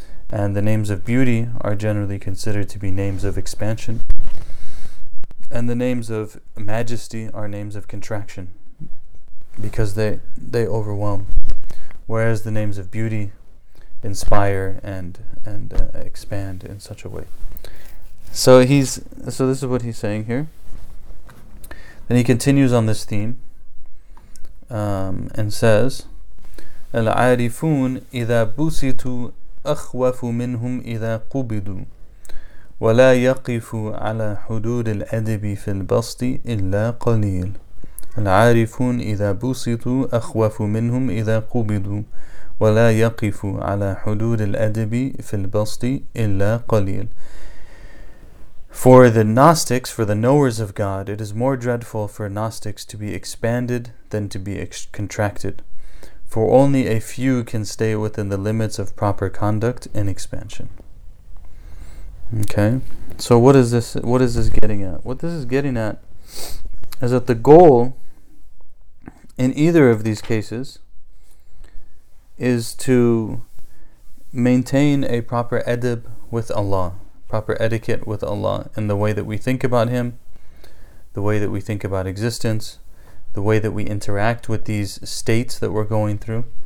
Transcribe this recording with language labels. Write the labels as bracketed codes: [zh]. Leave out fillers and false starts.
[en] And the names of beauty are generally considered to be names of expansion, and the names of majesty are names of contraction, because they overwhelm. Whereas the names of beauty inspire and expand in such a way. So this is what he's saying here. Then he continues on this theme and says, [ar] الْعَارِفُونَ إِذَا بُسِتُوا أَخْوَفُ مِنْهُمْ إِذَا قُبِدُوا وَلَا يَقِفُ عَلَى حُدُودِ الْأَدَبِ فِي الْبَسْطِ إِلَّا قَلِيلٌ العارفون إذا بسطوا أخوف منهم إذا قبضوا ولا يقف على حدود الأدب في البسط إلا قليل. [en] For the Gnostics, for the knowers of God, it is more dreadful for Gnostics to be expanded than to be contracted. For only a few can stay within the limits of proper conduct and expansion. Okay, so what is this getting at? What this is getting at is that the goal in either of these cases is to maintain a proper adab with Allah, proper etiquette with Allah, in the way that we think about Him, the way that we think about existence, the way that we interact with these states that we're going through.